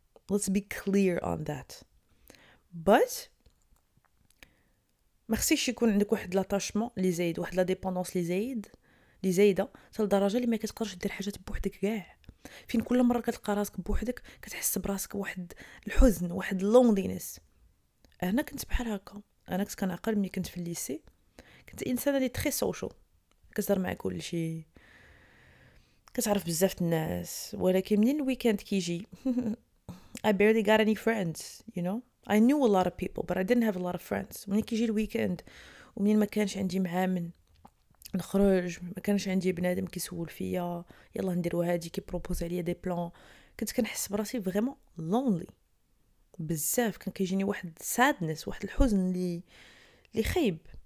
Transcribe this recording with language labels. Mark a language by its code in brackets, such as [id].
[en] Let's be clear on that. [ar] بات ما خصكش يكون عندك واحد لاتاشمون لي زايد، واحد لا ديبوندونس لي زايده حتى لدرجه اللي ما كتقدرش دير حاجات بوحدك كاع، فين كل مره كتلقى راسك بوحدك كتحس براسك واحد الحزن، واحد لونلينس. انا كنت بحال هكا، انا كنت كنعقل ملي كنت في الليسي، كنت انسانه لي [fr] تري سوشيال، [ar] كتهضر مع كلشي، كتعرف بزاف الناس، ولكن منين الويكند كيجي [en] I barely got any friends, you know. I knew a lot of people, but I didn't have a lot of friends. [ar] ومنين كيجي الويكند، ومنين ما كانش عندي معامل نخرج، ما كانش عندي بنادم كيسول فيا يلا نديرو هادي، [fr] كي بروبوز عليا دي بلان، [ar] كنت كنحس براسي فريمون لونلي بزاف. كان كيجيني واحد سادنس، واحد الحزن اللي خايب.